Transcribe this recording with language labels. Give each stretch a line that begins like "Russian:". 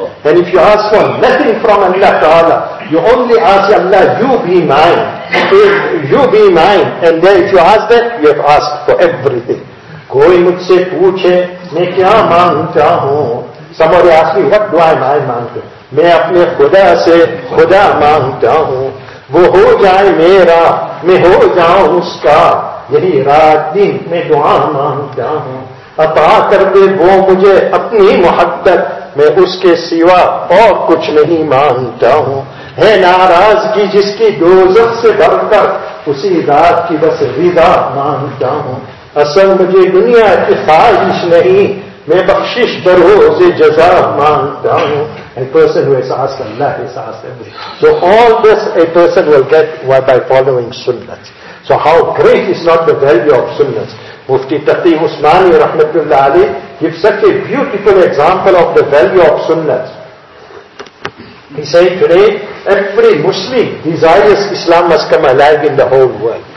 English: And if you ask for nothing from Allah Ta'ala, you only ask Allah, you be mine. If you be mine. And then if you ask that, you have asked for everything.
Urdu: Koi mujhse poochhe, main kya mangta hoon?
English: Somebody asked me, what do I want?
Urdu: میں اپنے خدا سے خدا مانگتا ہوں وہ ہو جائے میرا میں ہو جاؤں اس کا یہی رات دن میں دعا مانگتا ہوں عطا کر دے وہ مجھے اپنی محبت میں اس کے سوا اور کچھ نہیں مانگتا ہوں ہے ناراضگی جس کی دوزخ سے ڈر کر اسی رات کی بس رضا مانگتا ہوں اصل مجھے دنیا کی خواہش نہیں میں بخشش بروز جزا مانگتا ہوں
English: A person who has asked Allah, has asked everything. So all this a person will get by following sunnahs. So how great is not the value of sunnahs? Mufti Taqi Usmani rahmatullah alayhi gives such a beautiful example of the value of sunnahs. He said today, every Muslim desires Islam must come alive in the whole world.